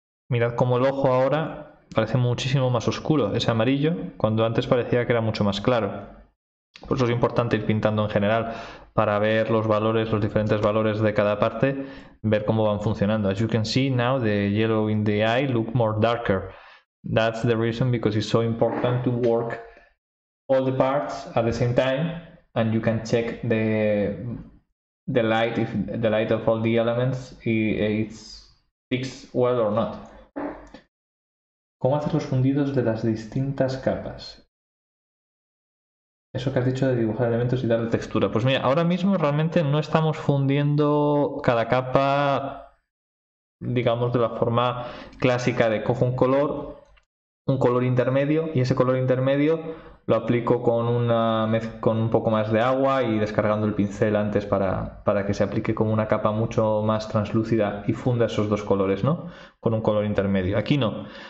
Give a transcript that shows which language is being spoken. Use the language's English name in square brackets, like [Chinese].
[Spanish] Mirad cómo el ojo ahora parece muchísimo más oscuro, ese amarillo, cuando antes parecía que era mucho más claro. Por eso es importante ir pintando en general, para ver los valores, los diferentes valores de cada parte, ver cómo van funcionando. [English] As you can see now, the yellow in the eye look more darker. That's the reason, because it's so important to work all the parts at the same time, and you can check the light, if the light of all the elements it's fixed well or not. [Spanish] ¿Cómo haces los fundidos de las distintas capas? Eso que has dicho de dibujar elementos y darle textura. Pues mira, ahora mismo realmente no estamos fundiendo cada capa, digamos, de la forma clásica de cojo un color intermedio, y ese color intermedio lo aplico con una con un poco más de agua y descargando el pincel antes para que se aplique como una capa mucho más translúcida y funda esos dos colores, ¿no? Con un color intermedio. Aquí no.